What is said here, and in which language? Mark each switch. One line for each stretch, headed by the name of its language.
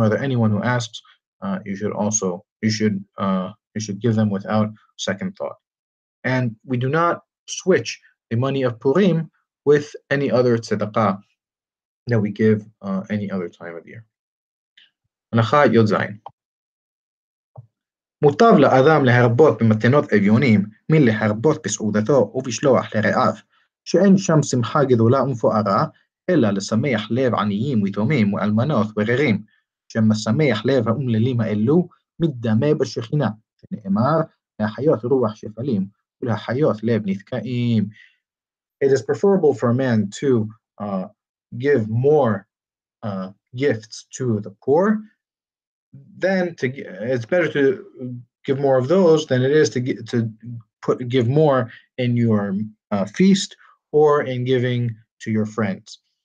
English: Rather, anyone who asks, you should give them without second thought. And we do not switch the money of Purim with any other tzedakah that we give any other time of year.
Hebrew: Anacha Yod Zayin. Mutav la'adam leharbot b'matenot evyonim min leharbot b'sa'udato u'vishloach le're'av she'en sham simcha gedola u'mfo'ara אלא לשמח לב עניים ויתומים ואלמנות וררים, שם משמח לב האומללים האלו מדמה בשכינה, שנאמר, להחיות רוח שפלים ולהחיות לב נתקעים.
English: It is preferable for a man to give more gifts to the poor, it's better to give more of those than it is to give more in your feast or in giving to your friends.